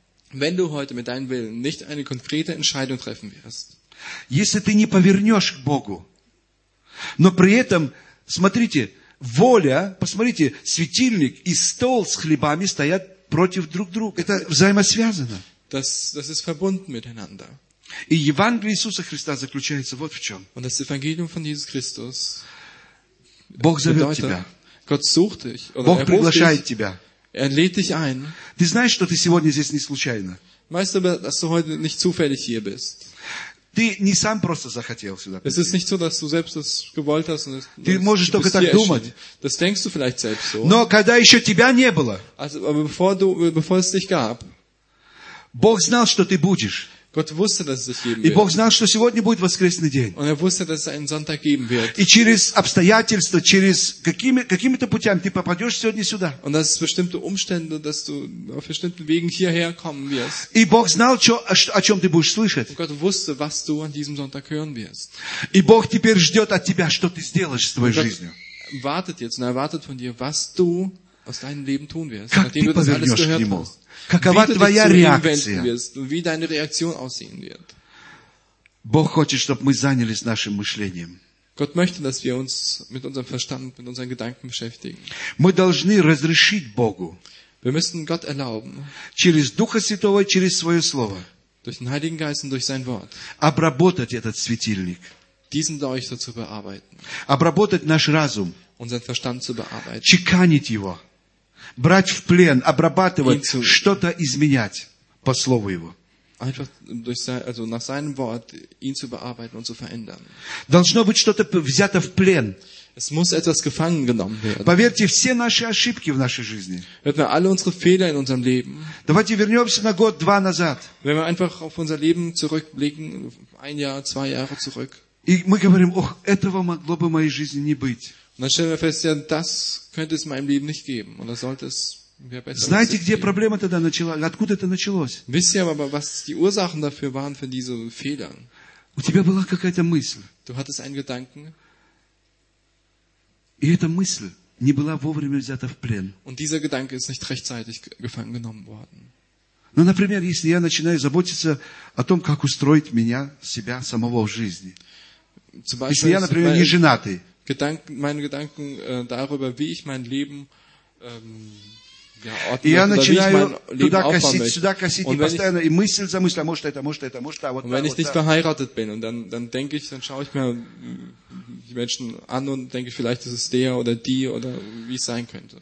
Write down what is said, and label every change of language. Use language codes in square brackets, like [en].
[de] Wenn du heute mit deinem Willen nicht eine konkrete Entscheidung treffen wirst, [ru] если ты не повернешь к Богу, но при этом, смотрите, воля, посмотрите, светильник и стол с хлебами стоят против друг друга. Это взаимосвязано. [de] Das ist verbunden miteinander. [ru] И Евангелие Иисуса Христа заключается вот в чем. [de] Und das Evangelium von Jesus Christus [ru] Бог зовет тебя. [de] Gott sucht dich, [ru] Бог приглашает тебя. [de] Er lädt dich ein. [ru] Ты знаешь, что ты сегодня здесь не случайно. [de] Weißt du, dass du heute nicht zufällig hier bist? [ru] Ты не сам просто захотел сюда прийти. [de] Es ist nicht so, dass du selbst das gewollt hast. [ru] Ты можешь только так думать. [de] Das denkst du vielleicht selbst so. [ru] Но когда еще тебя не было, [de] also, aber bevor es dich gab, [ru] Бог знал, что ты будешь. [de] Gott wusste, dass es dich geben wird. [ru] И Бог знал, что сегодня будет воскресный день. [de] Und wusste, dass es einen Sonntag geben wird. [ru] И через обстоятельства, через какими-то путями ты попадешь сегодня сюда. [de] Und dass es bestimmte Umstände, dass du auf bestimmten Wegen hierher kommen wirst. [ru] И Бог знал, о чем ты будешь слышать. [de] Und Gott wusste, was du an diesem Sonntag hören wirst. [ru] И Бог теперь ждет от тебя, что ты сделаешь с твоей жизнью. [de] Wartet jetzt und erwartet von dir, was du aus deinem Leben tun wirst, [ru] как [de] nachdem du das alles gehört [ru] ему? [de] Hast. [ru] Какова [de] wie [ru] твоя реакция? [de] Wirst, wie deine Reaktion aussehen wird. [ru] Бог хочет, чтобы мы занялись нашим мышлением. [de] Gott möchte, dass wir uns mit unserem Verstand, mit unseren Gedanken beschäftigen. [ru] Мы должны разрешить Богу. [de] Wir müssen Gott erlauben. [ru] Через Духа Святого, через свое слово. [de] Durch den Heiligen Geist und durch sein Wort. [ru] Обработать этот светильник. [de] Diesen Leuchter zu bearbeiten. [ru] Обработать наш разум. [de] Unseren Verstand zu bearbeiten. [ru] Чеканить его. Брать в плен, обрабатывать, что-то изменять по слову Его. [de] Einfach durch sein, also nach seinem Wort, ihn zu bearbeiten und zu verändern. [ru] Должно быть что-то взято в плен. [de] Es muss etwas gefangen genommen werden. [ru] Поверьте, все наши ошибки в нашей жизни. [de] Hört mal, alle unsere Fehler in unserem Leben. [ru] Давайте вернемся на год-два назад. [de] Wenn wir einfach auf unser Leben zurückblicken, ein Jahr, zwei Jahre zurück. [ru] И мы говорим, ох, этого могло бы в моей жизни не быть. [de] Und dann stellen wir fest, ja, das könnte es in meinem Leben nicht geben. Und das sollte es mir besser [ru] Знаете, [de] geben. [ru] Где проблема тогда начала, откуда это началось? [de] Wisst ihr aber, was die Ursachen dafür waren, für diese Fehler? [ru] У тебя была какая-то мысль. [de] Du hattest einen Gedanken. [ru] И эта мысль не была вовремя взята в плен. [de] Und dieser Gedanke ist nicht rechtzeitig gefangen genommen worden. [ru] Ну, например, если я начинаю заботиться о том, как устроить меня, себя, самого в жизни. [de] Zum Beispiel, [ru] если я, например, не женатый. [de] Meine Gedanken darüber, wie ich mein Leben ordne. Und wenn ich nicht verheiratet bin, und dann denke ich, dann schaue ich mir die Menschen an und denke, vielleicht ist es der oder die oder wie es sein könnte.